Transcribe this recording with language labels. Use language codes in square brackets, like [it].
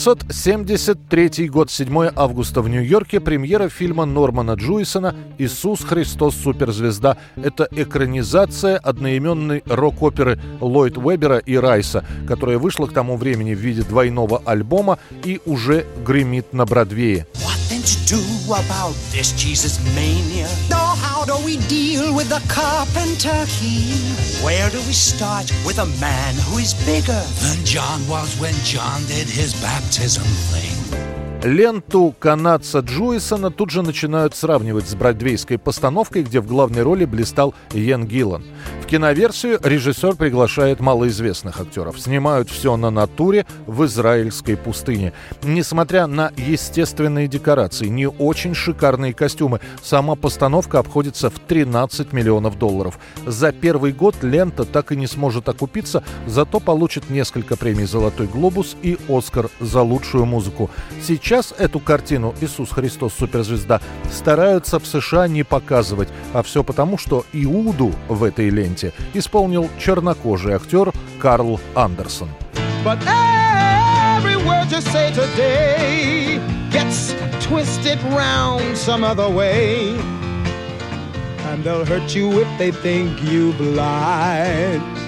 [ru] 1973 год, 7 августа в Нью-Йорке, премьера фильма Нормана Джуисона «Иисус Христос. Суперзвезда». Это экранизация одноименной рок-оперы Ллойд Уэббера и Райса, которая вышла к тому времени в виде двойного альбома и уже гремит на Бродвее. [en] How do we deal with the carpenter here? Where do we start with a man who is bigger than John was when John did his baptism thing? [ru] Ленту канадца Джуисона тут же начинают сравнивать с бродвейской постановкой, где в главной роли блистал Йен Гиллан. В киноверсию режиссер приглашает малоизвестных актеров. Снимают все на натуре в израильской пустыне. Несмотря на естественные декорации, не очень шикарные костюмы, сама постановка обходится в 13 миллионов долларов. За первый год лента так и не сможет окупиться, зато получит несколько премий «Золотой глобус» и «Оскар» за лучшую музыку. Сейчас эту картину «Иисус Христос. Суперзвезда» стараются в США не показывать, а все потому, что Иуду в этой ленте исполнил чернокожий актер Карл Андерсон. [en] But every word you say today gets twisted round some other way. And they'll hurt you if they think you blind.